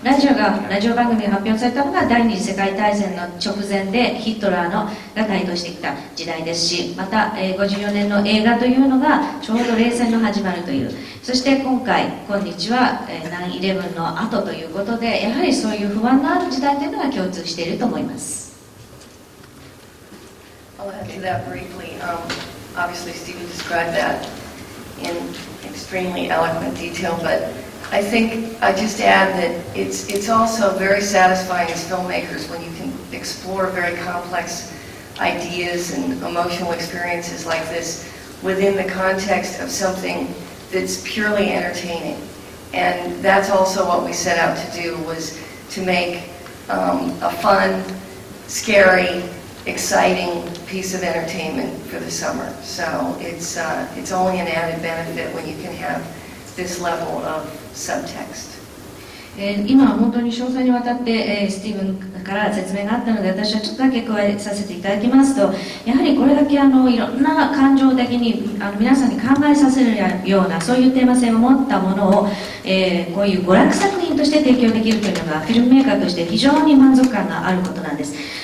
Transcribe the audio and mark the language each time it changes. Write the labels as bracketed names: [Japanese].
[Japanese] ラジオ番組が発表されたのが第二次世界大戦の直前で、ヒトラーのが台頭してきた時代ですし、また、54年の映画というのがちょうど冷戦の始まるという、そして今日は、9/11 の後ということで、やはりそういう不安のある時代というのが共通していると思います。 [English] I'll add to that briefly. Obviously Stephen described that in extremely eloquent detail, but I think I just add that it's also very satisfying as filmmakers when you can explore very complex ideas and emotional experiences like this within the context of something that's purely entertaining. And that's also what we set out to do, was to make a fun, scary, exciting piece of entertainment for the summer. So it's only an added benefit when you can have this level of subtext. [Japanese] 今は本当に詳細にわたってスティーブンから説明があったので私はちょっとだけ加えさせていただきますとやはりこれだけいろんな感情的に皆さんに考えさせるようなそういうテーマ性を持ったものを、こういう娯楽作品として提供できるというのがフィルムメーカーとして非常に満足感があることなんです、